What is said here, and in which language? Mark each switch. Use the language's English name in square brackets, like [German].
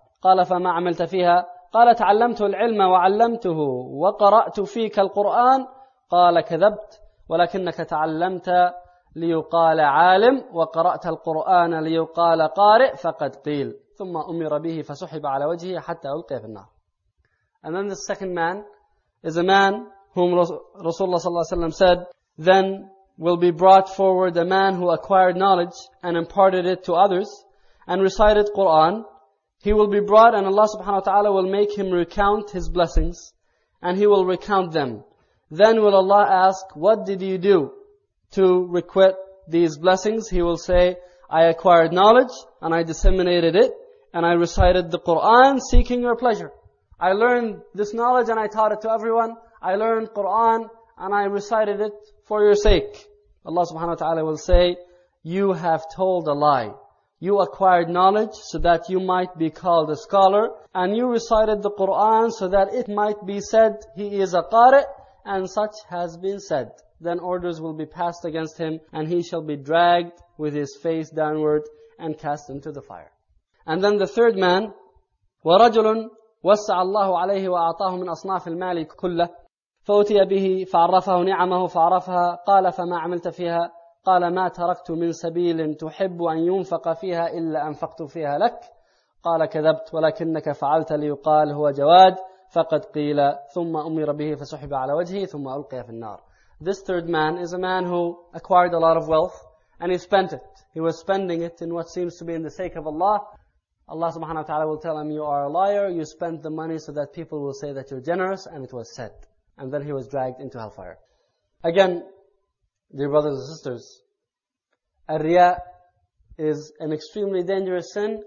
[Arabic] قال فما عملت فيها؟ قال تعلمت العلم وعلمته وقرأت فيك القرآن. قال كذبت، ولكنك تعلمت ليقال عالم وقرأت القرآن ليقال قارئ فقد قيل. ثم أمر به فسحب على وجهه حتى ألقي في النار. [English] And then the second man is a man whom Rasulullah صلى الله عليه وسلم said, then will be brought forward a man who acquired knowledge and imparted it to others and recited Quran. He will be brought and Allah subhanahu wa ta'ala will make him recount his blessings and he will recount them. Then will Allah ask, what did you do to requite these blessings? He will say, I acquired knowledge and I disseminated it and I recited the Quran seeking your pleasure. I learned this knowledge and I taught it to everyone. I learned Quran and I recited it for your sake. Allah subhanahu wa ta'ala will say, you have told a lie. You acquired knowledge so that you might be called a scholar. And you recited the Quran so that it might be said, he is a qari, and such has been said. Then orders will be passed against him and he shall be dragged with his face downward and cast into the fire. And then the third man, [Arabic] وَرَجُلٌ وَسَّعَ اللَّهُ عَلَيْهِ وَأَعْطَاهُ مِنْ أَصْنَافِ الْمَالِ كُلَّهِ فأتي به فعرفه نعمه فعرفها. قال فما عملت فيها؟ قال ما تركت من سبيل تحب أن ينفق فيها إلا أنفقت فيها لك. قال كذبت، ولكنك فعلت ليقال هو جواد فقد قيل. ثم أمر به فسحب على وجهه ثم ألقي في النار. [English] This third man is a man who acquired a lot of wealth and he spent it. He was spending it in what seems to be in the sake of Allah. Allah subhanahu wa ta'ala will tell him, you are a liar. You spent the money so that people will say that you're generous, and it was said. And then he was dragged into hellfire. Again, dear brothers and sisters, Ar-Riya is an extremely dangerous sin.